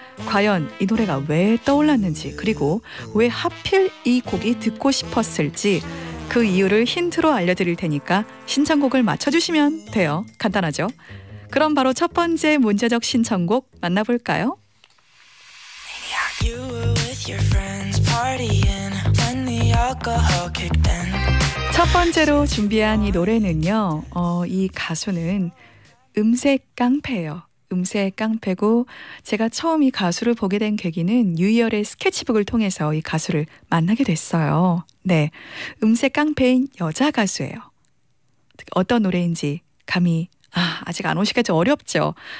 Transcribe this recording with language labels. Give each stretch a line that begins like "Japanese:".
Korean: 과연 이 노래가 왜 떠올랐는지, 그리고 왜 하필 이 곡이 듣고 싶었을지 그 이유를 힌트로 알려드릴 테니까 신청곡을 맞춰주시면 돼요. 간단하죠? 그럼 바로 첫 번째 문제적 신청곡 만나볼까요?
English: You were with your friends partying when the alcohol kicked in.
Korean: 첫 번째로 준비한 이 노래는요. 이 가수는 음색 깡패예요. 음색 깡패고, 제가 처음 이 가수를 보게 된 계기는 뉴이얼의 스케치북을 통해서 이 가수를 만나게 됐어요. 네, 음색 깡패인 여자 가수예요. 어떤 노래인지 감히, 아직 안 오시게 좀 어렵죠.